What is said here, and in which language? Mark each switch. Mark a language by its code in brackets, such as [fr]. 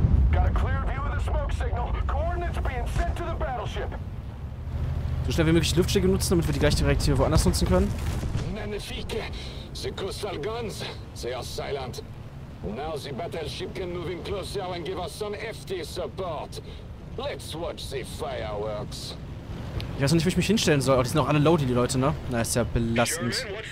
[en] Got a clear view of the smoke signal. Coordinates being sent to the battleship. [de] So schnell wie möglich die Luftschläge nutzen, damit wir die gleiche Reaktion woanders nutzen können. [fr] Magnifique! [en] The coastal guns, they are silent. Now the battleship can move in closer and give us some FT support. Let's watch the fireworks. [de] Ich weiß noch nicht, wie ich mich hinstellen soll, aber oh, die sind auch alle loady, die Leute, ne? Na, ist ja belastend.